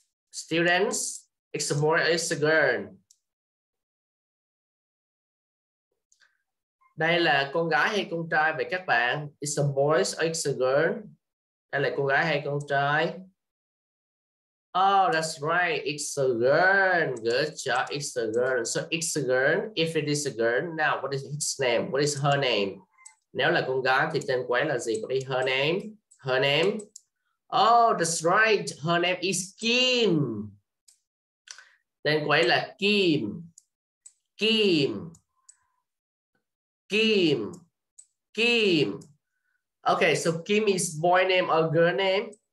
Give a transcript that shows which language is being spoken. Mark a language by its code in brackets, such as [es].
[en] Students, it's a boy or it's a girl? [vi] Đây là con gái hay con trai vậy các bạn? [en] It's a boy or it's a girl? [vi] Đây là con gái hay con trai? [en] Oh, that's right. It's a girl. Good job. It's a girl. So it's a girl. If it is a girl, now what is its name? What is her name? [vi] Nếu là con gái thì tên của ấy là gì? [en] What is her name? Her name? Oh, that's right. Her name is Kim. [vi] Tên của ấy là Kim. [en] Kim. Kim, Kim. Okay, so Kim is boy name or girl name?